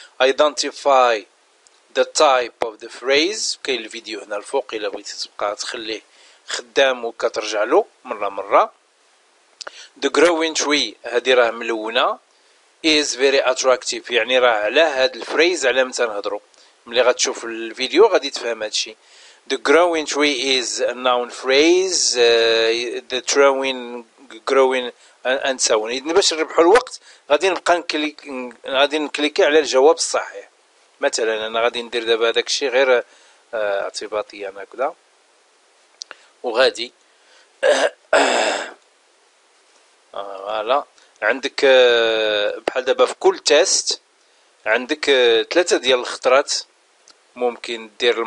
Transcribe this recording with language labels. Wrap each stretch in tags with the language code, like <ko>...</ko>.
<en>Identify the type of the phrase،</en> <ar>كاين الفيديو هنا الفوق إلا بغيتي تبقى تخليه خدام وكترجع له مرة مرة.</ar> <en>The growing tree</en> <ar>هذه راه ملونة،</ar> <en>is very attractive،</en> <ar>يعني راه على هاد الفريز على متى نهضرو. ملي غتشوف الفيديو غادي تفهم هاد الشيء.</ar> <en>The growing tree is a noun phrase، the growing and so on.</en> <ar>إذن باش نربحو الوقت غادي نبقى غادي نكليكي على الجواب الصحيح. مثلا انا غادي ندير دابا هذاك الشيء غير اعتباطيا هكذا، وغادي فوالا عندك بحال دابا في كل تيست عندك ثلاثة ديال الخطرات ممكن دير.</ar>